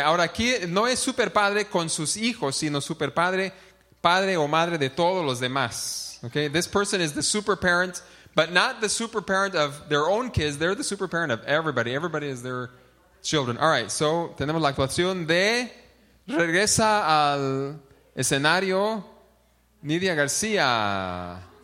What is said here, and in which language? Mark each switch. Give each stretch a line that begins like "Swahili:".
Spanish: Ahora aquí no es superpadre con sus hijos, sino superpadre, padre o madre de todos los demás.
English: Okay, this person is the super parent, but not the super parent of their own kids. They're the super parent of everybody. Everybody is their children. All right, so
Spanish: tenemos la actuación de regresa al escenario Nidia García.